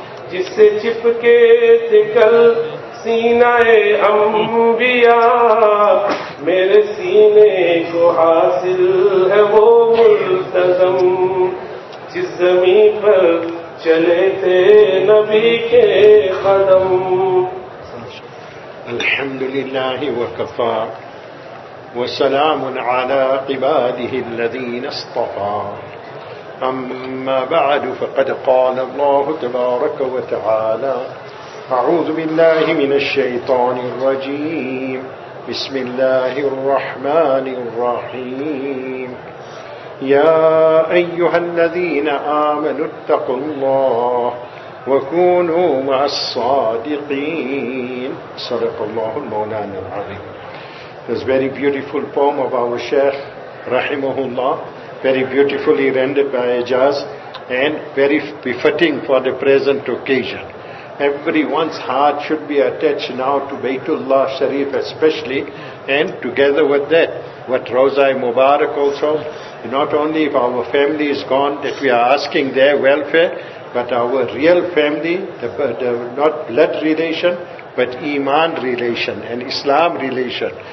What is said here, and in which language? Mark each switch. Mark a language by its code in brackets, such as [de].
[ur] جس سے چپکے تھے کل سینہ انبیاء میرے سینے کو حاصل ہے وہ ملتزم جس زمین پر چلے تھے نبی کے قدم [ar] الحمدللہ وکفا وسلام على عباده الذين اصطفى أما بعد فقد قال الله تبارك وتعالى أعوذ بالله من الشيطان الرجيم بسم الله الرحمن الرحيم يا أيها الذين آمنوا اتقوا الله وكونوا مع الصادقين صدق الله مولانا العظيم [en] This very beautiful poem of our Shaykh Rahimahullah, very beautifully rendered by Ijaz and very befitting for the present occasion. Everyone's heart should be attached now to Baytullah Sharif especially, and together with that, what Rauza-e Mubarak also, not only if our family is gone that we are asking their welfare, but our real family, the not blood relation, but Iman relation and Islam relation.